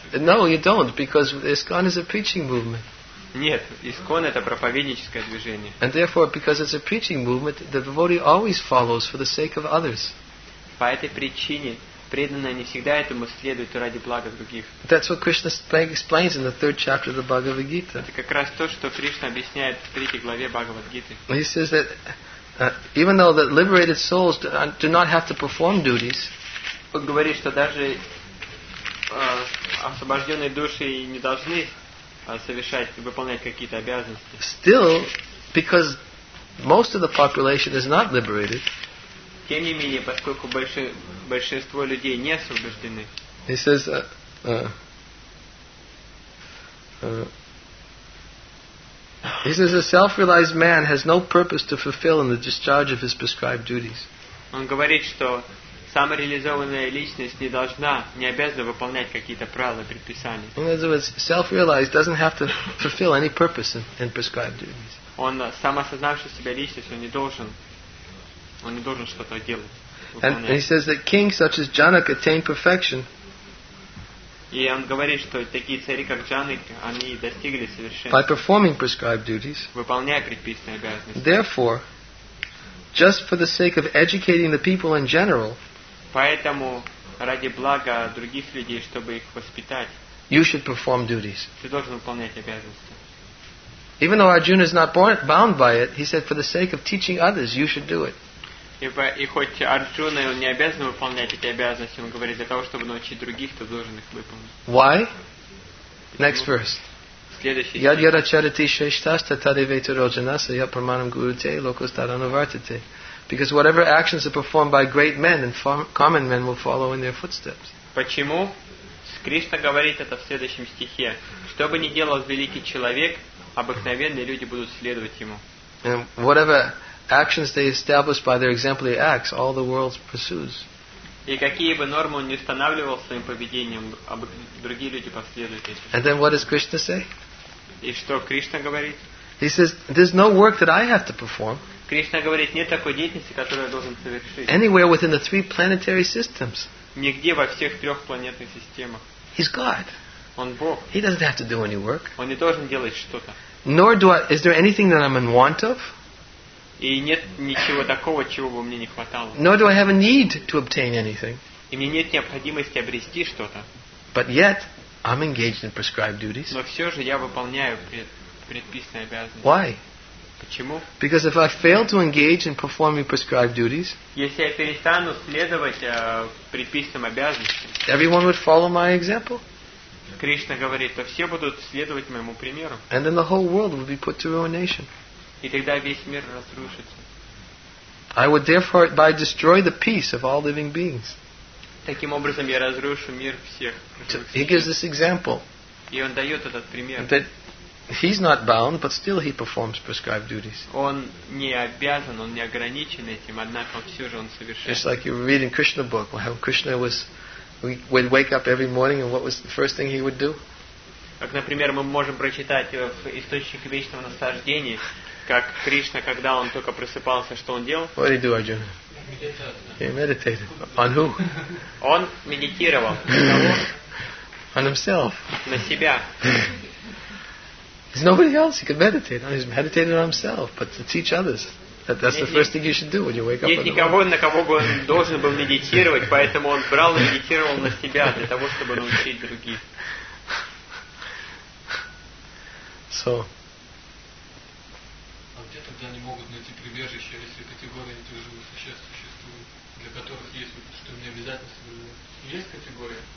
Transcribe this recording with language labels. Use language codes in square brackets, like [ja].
[en] No, you don't, because ISKCON is a preaching movement. [ru] Нет, ИСККОН это проповедническое движение. [en] And therefore, because it's a preaching movement, the devotee always follows for the sake of others. [ru] По этой причине преданный не всегда этому следует ради блага других. [en] That's what Krishna explains in the third chapter of the Bhagavad Gita. [ru] Это как раз то, что Кришна объясняет в третьей главе Бхагавад Гиты. [en] He says that even though that liberated souls do not have to perform duties, [ru] он говорит, что даже освобожденные души не должны совершать и выполнять какие-то обязанности. [en] Still, because most of the population is not liberated. [ru] Тем не менее, поскольку большинство людей не освобождены. [en] He says, a self-realized man has no purpose to fulfill in the discharge of his prescribed duties. [ru] Он говорит, что самореализованная личность не должна, не обязана выполнять какие-то правила, предписания. [en] In other words, self-realized doesn't have to fulfill any purpose in prescribed duties. [ru] Он сам осознавший себя личность, он не должен что-то делать. [en] And he says that kings such as Janak attain perfection. [ru] И он говорит, что такие цари, как Джанак, они достигли совершенства. [en] By performing prescribed duties. [ru] Выполняя предписанные обязанности. [en] Therefore, just for the sake of educating the people in general. [ru] Поэтому ради блага других людей, чтобы их воспитать. [en] You should perform duties. [ru] Ты должен выполнять обязанности. [en] Even though Arjuna is not bound by it, he said, for the sake of teaching others, you should do it. [ru] И хоть Арджуна не обязан выполнять эти обязанности, он говорит, для того, чтобы научить других, то должен их выполнить. [en] Why? Next verse. [ru] Следующий. [sa] Яд яра чарити шештаста таде вейте роджанаса яд парманам гуруте локус тарану вартите. [en] Because whatever actions are performed by great men and common men will follow in their footsteps. [ru] Почему? Кришна говорит это в следующем стихе. Что бы ни делал великий человек, обыкновенные люди будут следовать ему. [en] And whatever actions they establish by their exemplary acts, all the world pursues. [ru] И какие бы нормы он ни устанавливал своим поведением, другие люди последуют этим. [en] And then what does Krishna say? [ru] И что Кришна говорит? [en] He says, "There's no work that I have to perform." [ru] Кришна говорит, нет такой деятельности, которую я должен совершить. [en] Anywhere within the three planetary systems. [ru] Нигде во всех трех планетных системах. [en] He's God. [ru] Он Бог. [en] He doesn't have to do any work. [ru] Он не должен делать что-то. [en] Nor do I. Is there anything that I'm in want of? [ru] И нет ничего такого, чего бы мне не хватало. [en] Nor do I have a need to obtain anything. [ru] И мне нет необходимости обрести что-то. [en] But yet, I'm engaged in prescribed duties. [ru] Но все же я выполняю предписанные обязанности. [en] Why? [ru] Почему? [en] Because if I fail to engage in performing prescribed duties, [ru] если я перестану следовать предписанным обязанностям, [en] everyone would follow my example. [ru] Кришна говорит, то все будут следовать моему примеру. [en] And then the whole world would be put to ruination. [ru] И тогда весь мир разрушится. [en] I would therefore by destroy the peace of all living beings. [ru] Таким образом я разрушу мир всех. [en] He gives this example. [ru] И он дает этот пример. [en] He's not bound, but still he performs prescribed duties. [ru] Он не обязан, он не ограничен этим, однако все же он совершает. [en] It's like you're reading Krishna book. How Krishna was, we would wake up every morning, and what was the first thing he would do? [ru] Как, например, мы можем прочитать в источнике вечного наслаждения, как Кришна, когда он только просыпался, что он делал? [en] What did he do, Arjuna? He meditated. On who? [ru] Он медитировал. [en] On himself. [ru] На себя. [en] There's nobody else. He could meditate. He's meditating on himself, but to teach others. That, that's the first thing you should do when you wake up. [ru] Нет никого, на кого бы он должен был медитировать, поэтому он брал и медитировал на себя для того, чтобы научить других. [en] So. [ru] А где тогда они могут найти прибежище, если категория неживых существ существует, для которых есть вот что не обязательно соблюдать? Есть категория?